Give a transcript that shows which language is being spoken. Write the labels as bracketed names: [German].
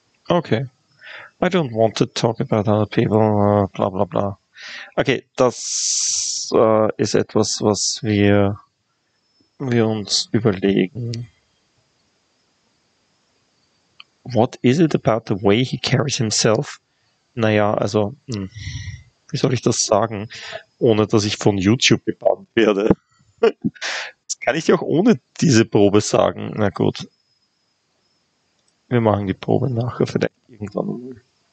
[English] Okay. I don't want to talk about other people, blah blah blah. [German] Okay, das ist etwas, was wir uns überlegen. [English] What is it about the way he carries himself? [German] Naja, also, wie soll ich das sagen, ohne dass ich von YouTube gebannt werde? Das kann ich dir auch ohne diese Probe sagen. Na gut. Wir machen die Probe nachher vielleicht irgendwann.